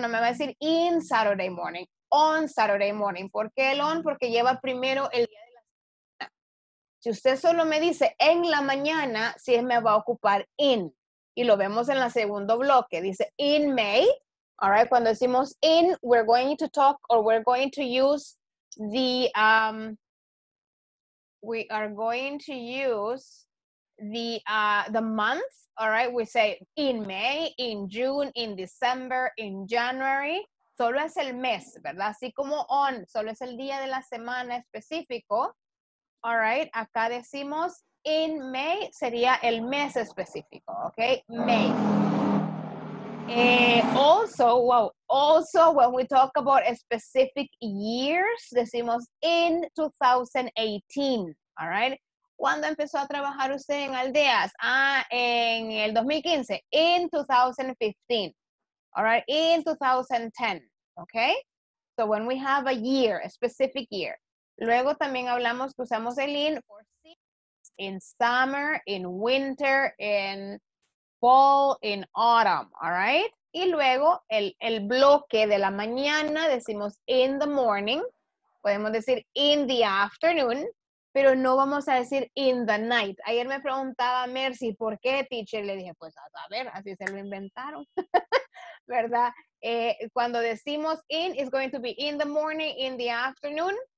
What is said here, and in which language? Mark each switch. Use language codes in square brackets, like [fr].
[es] No me va a decir [en] in Saturday morning, on Saturday morning. [es] ¿Por qué el on? Porque lleva primero el día. Si usted solo me dice en la mañana, sí me va a ocupar in. Y lo vemos en el segundo bloque. Dice [en] in May. All right. [es] Cuando decimos [en] in, we're going to talk or we're going to use the, we are going to use the month. All right. We say in May, in June, in December, in January. [es] Solo es el mes, ¿verdad? Así como on, solo es el día de la semana específico. [en] All right, [es] acá decimos [en] in May, [es] sería el mes específico, ok, May. [en] Also, when we talk about specific years, [es] decimos [en] in 2018, all right. [es] ¿Cuándo empezó a trabajar usted en Aldeas? Ah, en el 2015, [en] in 2015, all right, in 2010, ok. So when we have a year, a specific year. [es] Luego también hablamos que usamos el in [en] for in summer, in winter, in fall, in autumn, all right? [es] Y luego el bloque de la mañana decimos [en] in the morning, [es] podemos decir [en] in the afternoon, [es] pero no vamos a decir [en] in the night. [es] Ayer me preguntaba Mercy, ¿por qué, teacher? Le dije, pues a ver, así se lo inventaron, ¿verdad? Cuando decimos [en] in, it's going to be in the morning, in the afternoon.